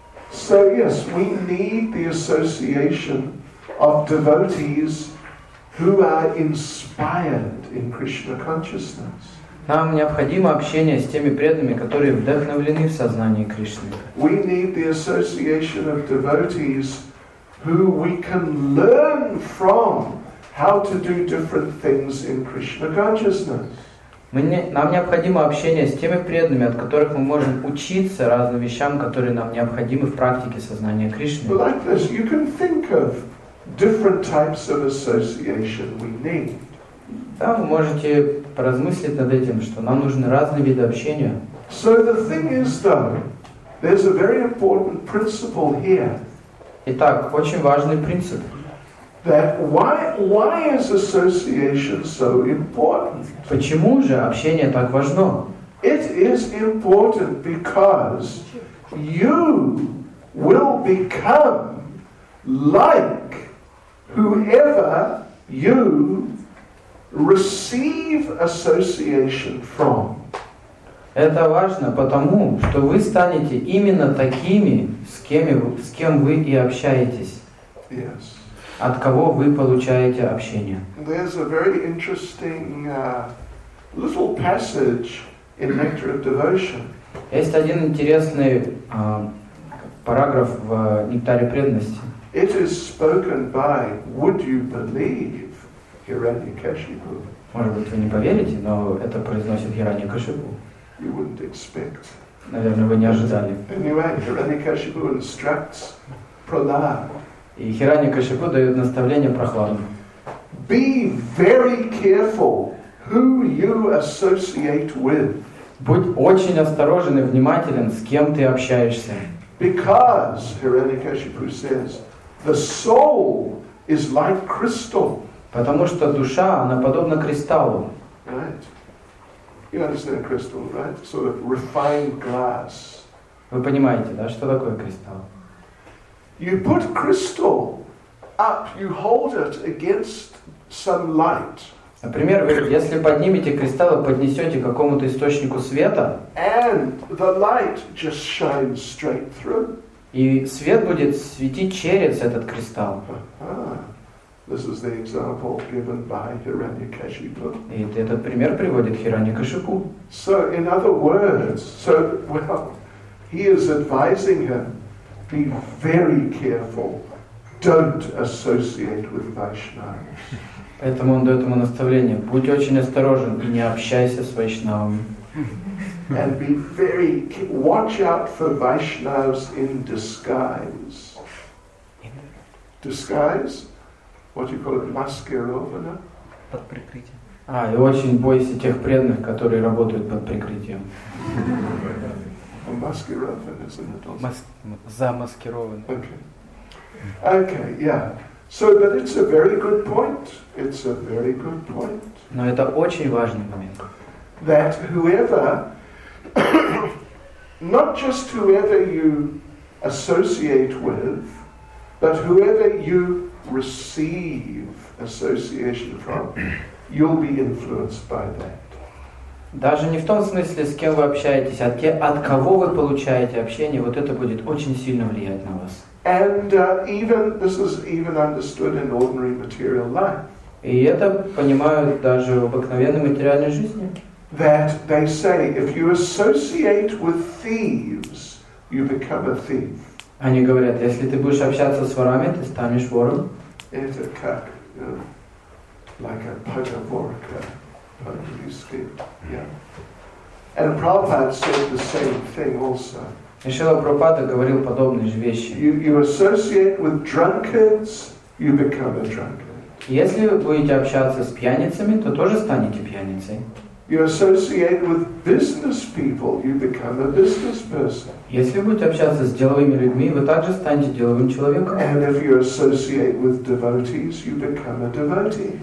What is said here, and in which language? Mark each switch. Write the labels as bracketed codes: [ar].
[en] So yes, we need the association of devotees who are inspired in Krishna consciousness. [ru] Нам необходимо общение с теми преданными, которые вдохновлены в сознании Кришны. [en] We need the association of devotees who we can learn from how to do different things in Krishna consciousness. [ru] Нам необходимо общение с теми преданными, от которых мы можем учиться разным вещам, которые нам необходимы в практике сознания Кришны. [en] Like this, you can think of different types of association we need. [ru] Да, вы можете поразмыслить над этим, что нам нужны разные виды общения. [en] So the thing is, though, there's a very important principle here. [ru] Итак, очень важный принцип. [en] That why is association so important? [ru] Почему же общение так важно? [en] It is important because you will become like whoever you receive association from. [ru] Это важно, потому что вы станете именно такими, с кем вы и общаетесь. [en] Yes. [ru] От кого вы получаете общение. [en] There's a very interesting little passage in Nectar of Devotion. [ru] Есть один интересный параграф в Нектаре преданности. [en] It is spoken by, would you believe, Hiranyakashipu? [ru] Может быть, вы не поверите, но это произносит Хираньякашипу. [en] You wouldn't expect. [ru] Наверное, вы не ожидали. [en] Anyway, Hiranyakashipu instructs Prahlad. [ru] И Хираньякашипу дает наставление Прохладу. [en] Be very careful who you associate with. [ru] Будь очень осторожен и внимателен, с кем ты общаешься. [en] Because, Hiranyakashipu says, the soul is like crystal. [ru] Потому что душа, она подобна кристаллу. [en] Right. You understand crystal, right? Sort of refined glass. [ru] Вы понимаете, да, что такое кристалл? [en] You put crystal up, you hold it against some light. [ru] Например, вы, если поднимете кристалл и поднесете к какому-то источнику света, [en] and the light just shines straight through. [ru] И свет будет светить через этот кристалл. [en] This is the example given by Hiranyakashipu. [ru] И этот пример приводит Хираньякашипу. [en] So, in other words, he is advising him, be very careful, don't associate with Vaishnavas. [ru] Поэтому он дает ему наставление, будь очень осторожен и не общайся с вайшнавами. [en] And be very, watch out for Vaishnavas in disguise. Disguise? What do you call it? [ru] Маскировано? Под прикрытием. А, и очень бойся тех преданных, которые работают под прикрытием. Маскировано, [en] isn't it also? [ru] Замаскировано. [en] Okay, yeah. So, but it's a very good point. It's a very good point. [ru] Но это очень важный момент. [en] That whoever, not just whoever you associate with, but whoever you receive association from, you'll be influenced by that. [ru] Даже не в том смысле, с кем вы общаетесь, а те, от кого вы получаете общение, вот это будет очень сильно влиять на вас. [en] And even this is even understood in ordinary material life. [ru] И это понимают даже в обыкновенной материальной жизни. [en] That they say, if you associate with thieves, you become a thief. [ru] Они говорят, если ты будешь общаться с ворами, ты станешь вором. [en] It's a cat, you know, like a pagavorka, pagavorka, yeah. And Prabhupada said the same thing also. [ru] И Шрила Прабхупада говорил подобные же вещи. [en] You associate with drunkards, you become a drunkard. [ru] Если вы будете общаться с пьяницами, то тоже станете пьяницей. [en] You associate with business people, you become a business person. [ru] Если вы будете общаться с деловыми людьми, вы также станете деловым человеком. [en] And if you associate with devotees, you become a devotee.